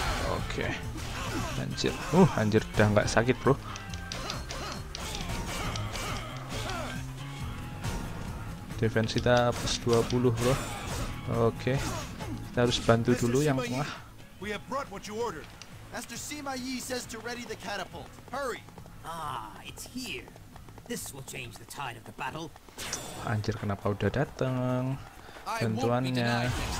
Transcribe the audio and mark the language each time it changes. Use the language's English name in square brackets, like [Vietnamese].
[Indonesian] Oke. Anjir. Anjir, udah nggak sakit bro. Defense kita plus 20 bro. Oke. Kita harus bantu dulu yang tengah. [English] We have brought what you ordered. Master Sima Yi says to ready the catapult. Hurry. Ah, it's here. This will change the tide of the battle. [Indonesian] Anjir, kenapa udah datang bantuannya?